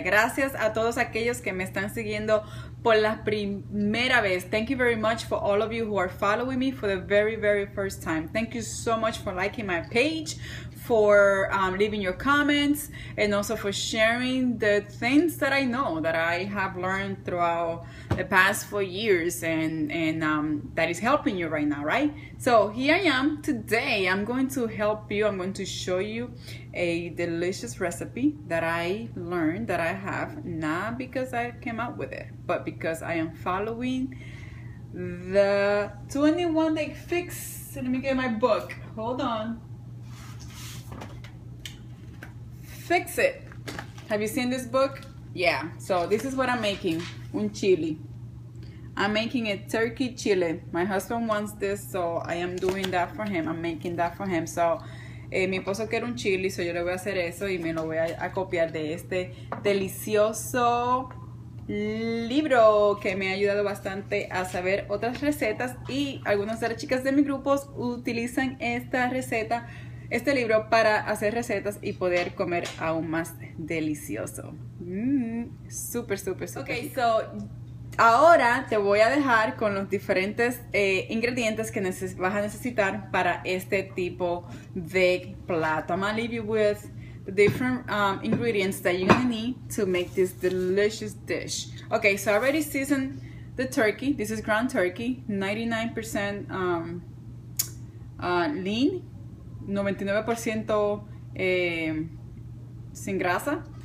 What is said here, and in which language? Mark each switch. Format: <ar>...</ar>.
<es>Gracias a todos aquellos que me están siguiendo por la primera vez.</es> <en>Thank you very much for all of you who are following me for the very, very first time. Thank you so much for liking my page, for leaving your comments, and also for sharing the things that I know that I have learned throughout the past 4 years, and that is helping you right now, right? So here I am today. I'm going to help you. I'm going to show you a delicious recipe that I learned that I have, not because I came up with it, but because I am following the 21 day fix. Let me get my book. Hold on. Fix It. Have you seen this book? Yeah. So this is what I'm making,</en> <es>un chili.</es> <en>I'm making a turkey chili. My husband wants this, so I am doing that for him. I'm making that for him.</en> <es>So mi esposo quiere un chili, so yo le voy a hacer eso y me lo voy a copiar de este delicioso libro que me ha ayudado bastante a saber otras recetas. Y algunas de las chicas de mi grupo utilizan esta receta, este libro, para hacer recetas y poder comer aún más delicioso. Súper, súper, súper</es> <en>Okay,</en> <es>rico. so ahora te voy a dejar con los diferentes ingredientes que vas a necesitar para este tipo de plato.</es> <en>I'm gonna leave you with the different ingredients that you're gonna need to make this delicious dish. Okay, so I already seasoned the turkey. This is ground turkey, 99% lean,</en> <es>99% sin grasa.</es>